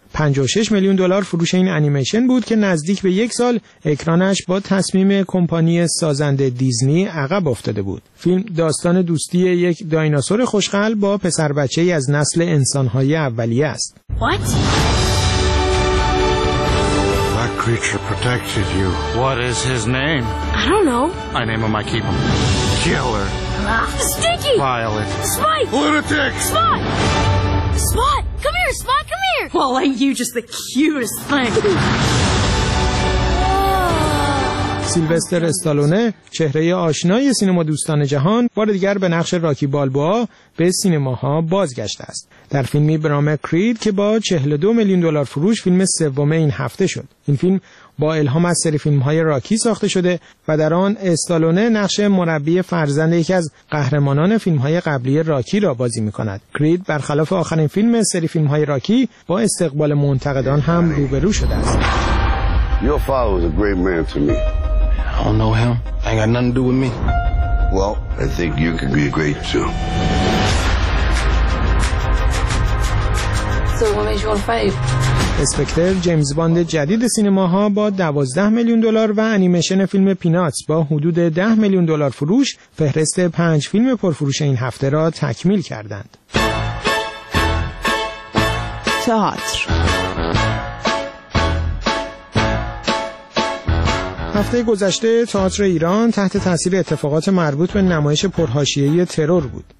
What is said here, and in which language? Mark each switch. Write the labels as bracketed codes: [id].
[fa] 56 میلیون دلار فروش این انیمیشن بود که نزدیک به یک سال اکرانش با تصمیم کمپانی سازنده دیزنی عقب افتاده بود. فیلم داستان دوستی یک دایناسور خوشقلب با پسر بچه‌ای از نسل انسان‌های اولیه است. [en] What? Creature protected you. What is his name? I don't know. I name him, I keep him. Killer. Stinky. Violet. Spike. Lunatic. Spot. Spot. Come here, Spot, come here. Well, ain't you just the cutest thing? [fa] سیلوستر استالونه، چهره آشنای سینما دوستان جهان، بار دیگر به نقش راکی بالبوا به سینماها بازگشته است. در فیلمی به نام کرید که با 42 میلیون دلار فروش فیلم سوم این هفته شد. این فیلم با الهام از سری فیلم‌های راکی ساخته شده و در آن استالونه نقش مربی فرزند یکی از قهرمانان فیلم‌های قبلی راکی را بازی می‌کند. کرید برخلاف آخرین فیلم سری فیلم‌های راکی با استقبال منتقدان هم روبرو شده است. [en] Your father was a great man to me. I don't know him. I ain't got nothing to do with me. Well, I think you could be great too. So what made you want to fight? [fa] اسپکتر جیمز باند جدید سینماها با 12 میلیون دلار و انیمیشن فیلم پیناتس با حدود 10 میلیون دلار فروش فهرست 5 فیلم پرفروش این هفته را تکمیل کردند. تئاتر هفته گذشته تئاتر ایران تحت تاثیر اتفاقات مربوط به نمایش پرحاشیه ترور بود.